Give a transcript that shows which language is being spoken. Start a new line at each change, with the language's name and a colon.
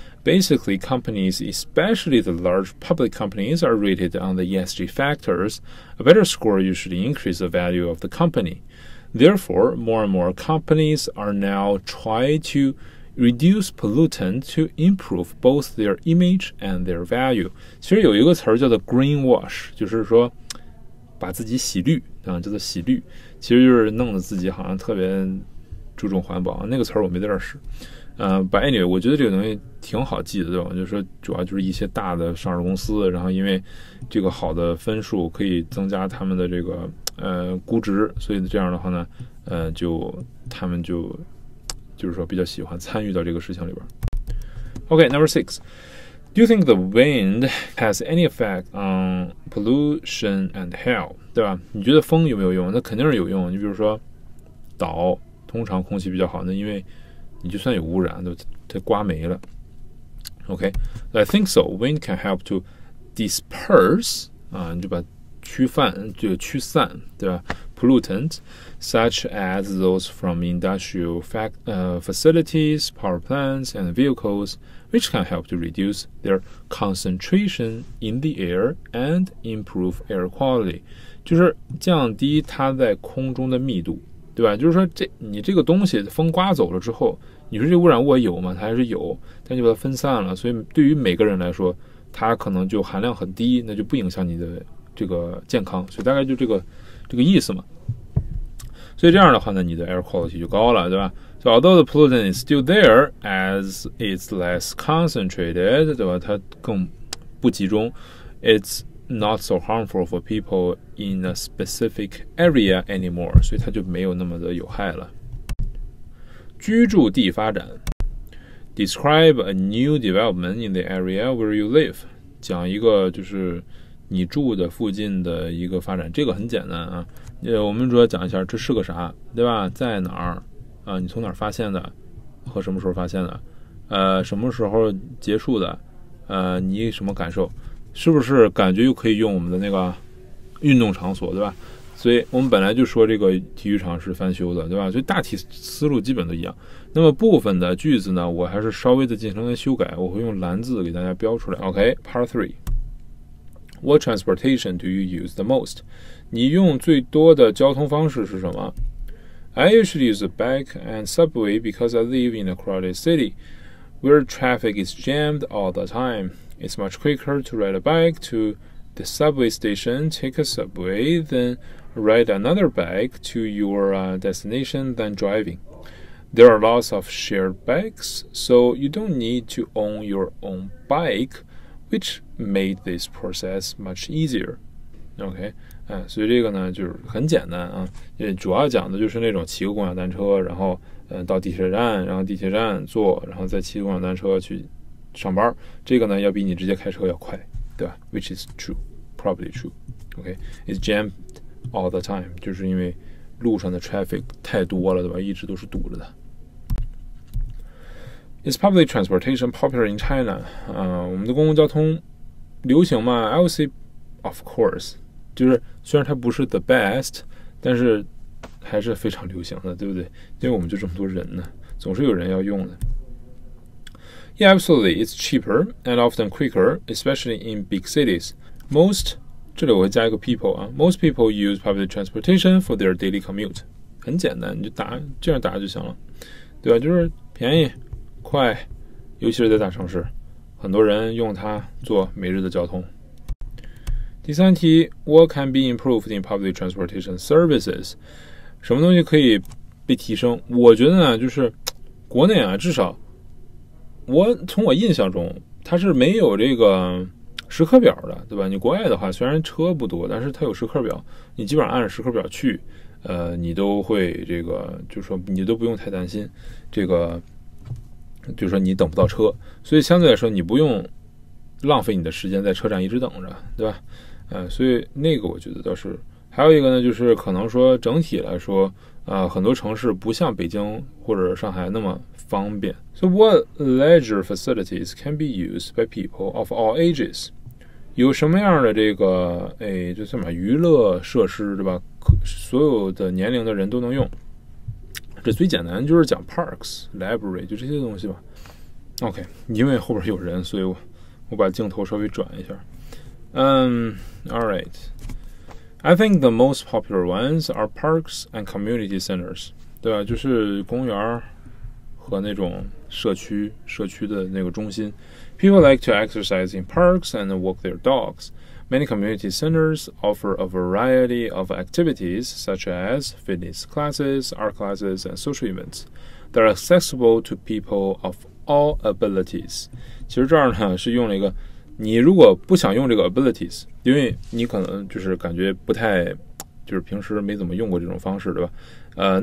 English: Basically, companies, especially the large public companies, are rated on the ESG factors. A better score usually increases the value of the company. Therefore, more and more companies are now trying to reduce pollutant to improve both their image and their value.
Chinese: 其实有一个词叫做 greenwash, 就是说把自己洗绿叫做洗绿其实就是弄得自己好像特别注重环保那个词我没在这儿使
English: but anyway,
Chinese: 我觉得这个东西挺好记的对吧就是说主要就是一些大的上市公司然后因为这个好的分数可以增加他们的这个估值所以这样的话呢就他们就是说比较喜欢参与到这个事情里边。
English: OK, number six. Do you think the wind has any effect on pollution and health?
Chinese: 对吧？你觉得风有没有用？那肯定是有用。你比如说，岛通常空气比较好，那因为你就算有污染，它刮没了。
English: OK, I think so. Wind can help to disperse
Chinese: 你就把驱散，对吧？
English: pollutants, such as those from industrial facilities, power plants, and vehicles, which can help to reduce their concentration in the air and improve air quality.
Chinese: 就是降低它在空中的密度，对吧？就是说你这个东西风刮走了之后，你说这污染物有吗？它还是有，但就把它分散了，所以对于每个人来说，它可能就含量很低，那就不影响你的这个健康，所以大概就这个意思嘛。所以这样的话呢，你的 air quality 就高了，对吧？
English: So although the pollutant is still there as it's less concentrated,
Chinese: 对吧？它更不集中，
English: it's not so harmful for people in a specific area anymore,
Chinese: 所以它就没有那么的有害了。居住地发展，
English: Describe a new development in the area where you live,
Chinese: 讲一个就是你住的附近的一个发展，这个很简单啊。我们主要讲一下这是个啥，对吧？在哪儿啊？你从哪儿发现的？和什么时候发现的？什么时候结束的？你什么感受？是不是感觉又可以用我们的那个运动场所，对吧？所以我们本来就说这个体育场是翻修的，对吧？所以大体思路基本都一样。那么部分的句子呢，我还是稍微的进行了修改，我会用蓝字给大家标出来。
English: OK, Part 3. What transportation do you use the most?
Chinese: 你用最多的交通方式是什么？
English: I usually use a bike and subway because I live in a crowded city where traffic is jammed all the time. It's much quicker to ride a bike to the subway station, take a subway, then ride another bike to your destination than driving. There are lots of shared bikes, so you don't need to own your own bike,which made this process much easier.
Chinese: OK,所以这个呢就是很简单啊，也主要讲的就是那种骑个共享单车，然后到地铁站，然后地铁站坐，然后再骑共享单车去上班，这个呢要比你直接开车要快，对吧？
English: Which is true, probably true. OK, it's jammed all the time,
Chinese: 就是因为路上的 traffic 太多了，对吧？一直都是堵着的。
English: Is public transportation popular in China?
Chinese: 我们的公共交通流行吗？
English: I would say, of course.
Chinese: 就是虽然它不是
English: the best,
Chinese: 但是还是非常流行的，对不对？因为我们就这么多人呢，总是有人要用的。
English: Yeah, absolutely. It's cheaper and often quicker, especially in big cities. Most,
Chinese: 这里我会加一个 people 啊，
English: most people use public transportation for their daily commute.
Chinese: 很简单，你就答，这样答就行了。对吧？就是便宜。快，尤其是在大城市，很多人用它做每日的交通。第三题
English: ，What can be improved in public transportation services？
Chinese: 什么东西可以被提升？我觉得呢，就是国内啊，至少我从我印象中，它是没有这个时刻表的，对吧？你国外的话，虽然车不多，但是它有时刻表，你基本上按时刻表去，你都会这个，就是说你都不用太担心这个。就是说你等不到车，所以相对来说你不用浪费你的时间在车站一直等着，对吧？所以那个我觉得倒是还有一个呢，就是可能说整体来说，很多城市不像北京或者上海那么方便。
English: So what leisure facilities can be used by people of all ages?
Chinese: 有什么样的这个就算把娱乐设施，对吧？所有的年龄的人都能用。这最简单就是讲 parks, library, 就这些东西吧。OK, 因为后边有人，所以我把镜头稍微转一下。Alright.
English: I think the most popular ones are parks and community centers.
Chinese: 对吧，就是公园和那种社区的那个中心。
English: People like to exercise in parks and walk their dogs. Many community centers offer a variety of activities such as fitness classes, art classes, and social events that are accessible to people of all abilities.
Chinese: 其实这儿呢是用了一个，你如果不想用这个 abilities, 因为你可能就是感觉不太，就是平时没怎么用过这种方式，对吧？